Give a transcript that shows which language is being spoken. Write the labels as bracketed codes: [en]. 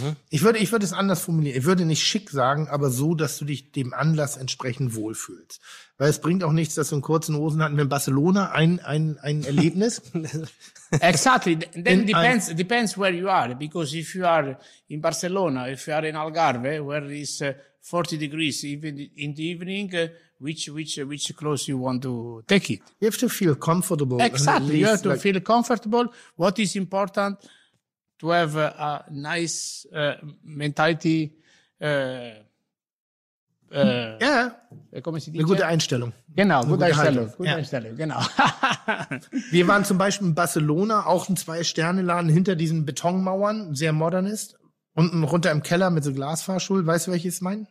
[de] Ich würde es anders formulieren. Ich würde nicht schick sagen, aber so, dass du dich dem Anlass entsprechend wohlfühlst. Weil es bringt auch nichts, dass du einen kurzen Hosen hatten wir in Barcelona ein Erlebnis. [en] Exactly. Then depends where you are. Because if you are in Barcelona, if you are in Algarve, where it's 40 degrees even in the evening, which clothes you want to take it? You have to feel comfortable. Exactly. You have to feel comfortable. What is important to have a nice mentality? [de] Eine gute Einstellung. Genau, gute Einstellung, genau. Wir waren zum Beispiel in Barcelona, auch ein Zwei-Sterne-Laden hinter diesen Betonmauern, sehr modernist. Unten runter im Keller mit so Glasfahrstuhl. Weißt du, welches ich meine?